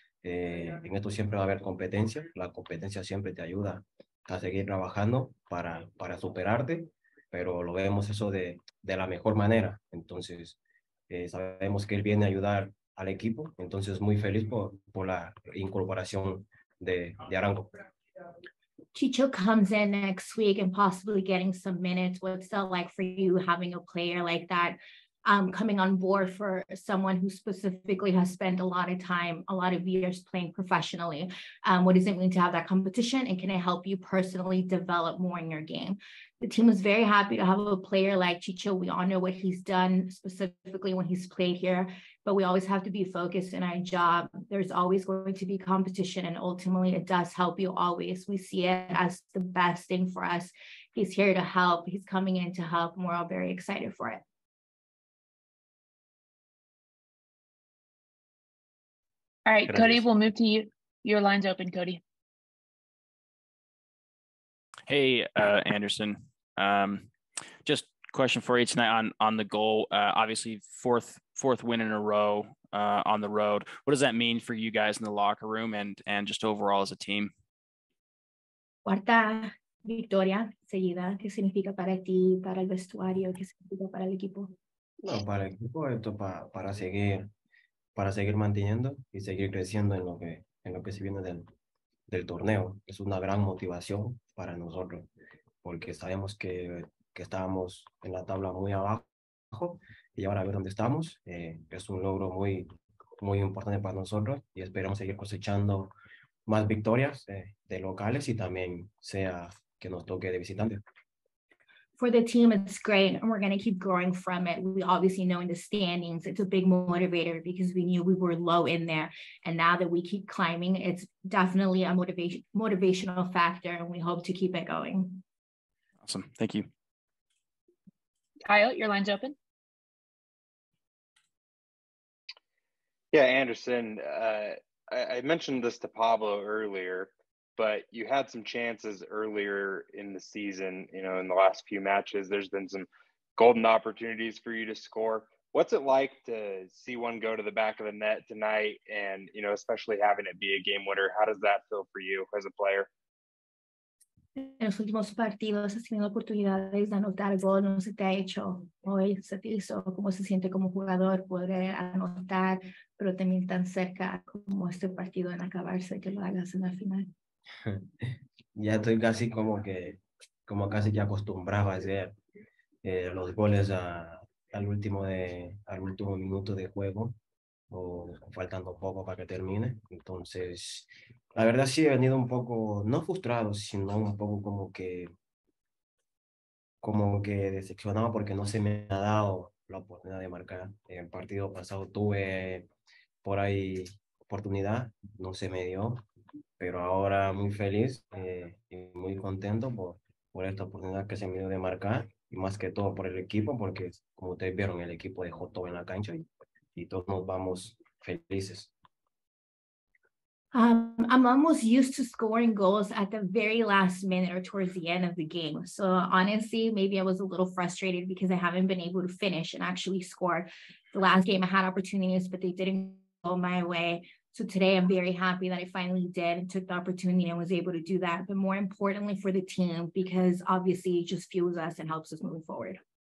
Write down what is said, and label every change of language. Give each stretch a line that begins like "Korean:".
Spanish: En esto siempre va a haber competencia. La competencia siempre te ayuda a seguir trabajando para superarte. Pero lo vemos eso de la mejor manera. Entonces, sabemos que él viene a ayudar al equipo. Entonces, muy feliz por la incorporación de Arango.
English: Chicho comes in next week and possibly getting some minutes. What's that like for you having a player like that coming on board for someone who specifically has spent a lot of time, a lot of years playing professionally? What does it mean to have that competition? And can it help you personally develop more in your game? The team was very happy to have a player like Chicho. We all know what he's done specifically when he's played here, but we always have to be focused in our job. There's always going to be competition, and ultimately, it does help you always. We see it as the best thing for us. He's here to help, he's coming in to help, and we're all very excited for it. All right, Cody,
Spanish: Gracias.
English: we'll move to you. Your line's open, Cody. Hey, Anderson. Just question for you tonight on the goal. Obviously, fourth win in a row on the road. What does that mean for you guys in the locker room and just overall as a team?
Spanish: Cuarta victoria seguida, ¿qué significa para ti, para el vestuario, qué significa para el equipo? No, para el equipo, esto para seguir. Para seguir manteniendo y seguir creciendo en lo que se viene del torneo. Es una gran motivación para nosotros, porque sabemos que estábamos en la tabla muy abajo y ahora a ver dónde estamos. Es un logro muy, muy importante para nosotros y esperamos seguir cosechando más victorias de locales y también sea que nos toque de visitantes.
English: For the team, it's great, and we're going to keep growing from it. We obviously know in the standings, it's a big motivator because we knew we were low in there. And now that we keep climbing, it's definitely a motivational factor, and we hope to keep it going. Awesome. Thank you. Kyle, your line's open. Yeah, Anderson, I mentioned this to Pablo earlier, but you had some chances earlier in the season, you know, in the last few matches. There's been some golden opportunities for you to score. What's it like to see one go to the back of the net tonight and, you know, especially having it be a game winner? How does that feel for you as a player?
Spanish: En los últimos partidos has tenido oportunidades de anotar gol, no se te ha hecho hoy, se te hizo, ¿cómo se siente como jugador poder anotar, pero también tan cerca como este partido en acabarse, que lo hagas en la final? Ya estoy casi como casi que acostumbrado a hacer los goles al último minuto de juego, o faltando poco para que termine. Entonces, la verdad sí he venido un poco, no frustrado, sino un poco como que decepcionado porque no se me ha dado la oportunidad de marcar. En el partido pasado tuve por ahí oportunidad, no se me dio, pero ahora muy feliz y muy contento por esta oportunidad que se me dio de marcar, y más que todo por el equipo, porque como ustedes vieron, el equipo dejó todo en la cancha y todos nos vamos felices.
English: I'm almost used to scoring goals at the very last minute or towards the end of the game. So honestly, maybe I was a little frustrated because I haven't been able to finish and actually score. The last game I had opportunities, but they didn't go my way. So today I'm very happy that I finally did and took the opportunity and was able to do that. But more importantly for the team, because obviously it just fuels us and helps us moving forward.